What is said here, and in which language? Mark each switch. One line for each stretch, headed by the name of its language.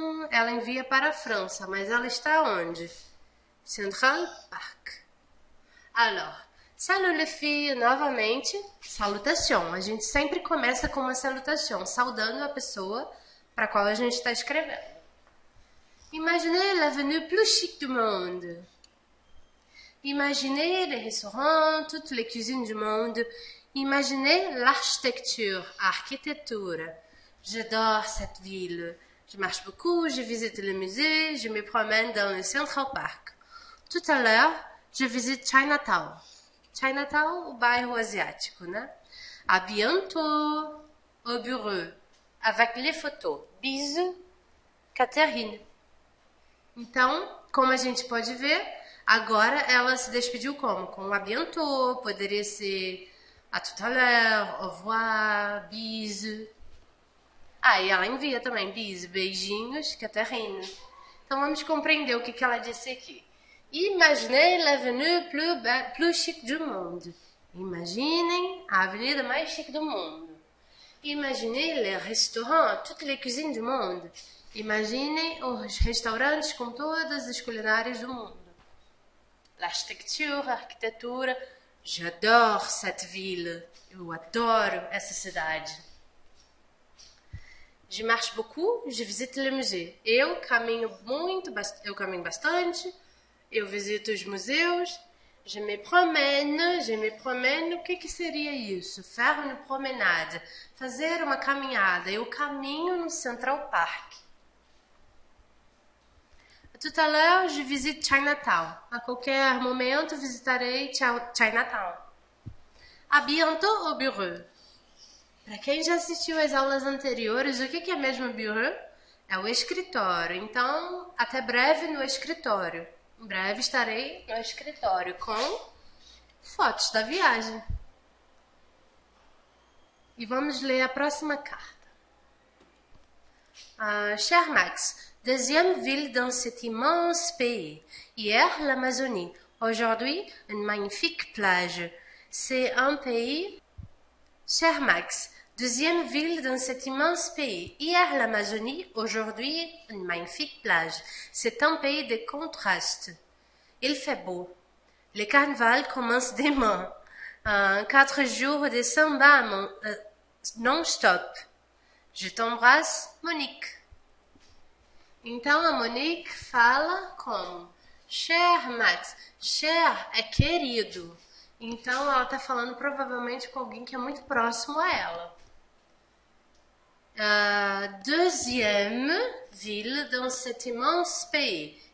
Portuguese: Ela envia para a França, mas ela está onde? Central Park.
French: Alors, salut les filles,
Portuguese: novamente, salutação. A gente sempre começa com uma salutação, saudando a pessoa para qual a gente está escrevendo.
French: Imaginez l'avenue plus chic du monde. Imaginez les restaurants, toutes les cuisines du monde. Imaginez l'architecture,
Portuguese: a arquitetura.
French: J'adore cette ville. Je marche beaucoup, je visite les musées, je me promène dans le Central Park. Tout à l'heure, je visite Chinatown.
Portuguese: Chinatown, o bairro asiático, né?
French: À bientôt, au bureau, avec les photos. Bisous, Catherine.
Portuguese: Então, como a gente pode ver, agora ela se despediu como? Com
French: à bientôt,
Portuguese: poderia ser
French: à tout à l'heure, au revoir, bisous.
Portuguese: Ah, e ela envia também, bisous, beijinhos, Catherine. Então vamos compreender o que que ela disse aqui.
French: Imaginez l'avenue plus chic du monde.
Portuguese: Imaginem a avenida mais chique do mundo.
French: Imaginez les restaurants, toutes les cuisines du monde.
Portuguese: Imaginem os restaurantes com todas as culinárias do mundo.
French: L'architecture, arquitetura. J'adore cette ville.
Portuguese: Eu adoro essa cidade.
French: Je marche beaucoup, je visite les musées.
Portuguese: Eu caminho bastante. Eu visito os museus.
French: Je me promène.
Portuguese: O que que seria isso?
French: Faire une promenade.
Portuguese: Fazer uma caminhada. Eu caminho no Central Park.
French: Tout à l'heure, je visite Chinatown.
Portuguese: A qualquer momento visitarei Chinatown.
French: À bientôt au bureau.
Portuguese: Para quem já assistiu às aulas anteriores, o que é mesmo bureau? É o escritório. Então, até breve no escritório. Em breve estarei no escritório com fotos da viagem. E vamos ler a próxima carta.
French: Cher Max, deuxième ville dans cet immense pays. Hier, l'Amazonie. Aujourd'hui, une magnifique plage. C'est un pays. Cher Max, Deuxième ville dans cet immense pays. Hier l'Amazonie, aujourd'hui une magnifique plage. C'est un pays de contrastes. Il fait beau. Le carnaval commence demain. Quatre jours de samba non-stop. Je t'embrasse, Monique.
Portuguese: Então a Monique fala como?
French: Cher Max,
Portuguese: cher é querido. Então ela está falando provavelmente com alguém que é muito próximo a ela.
French: Deuxième ville dans cet immense pays.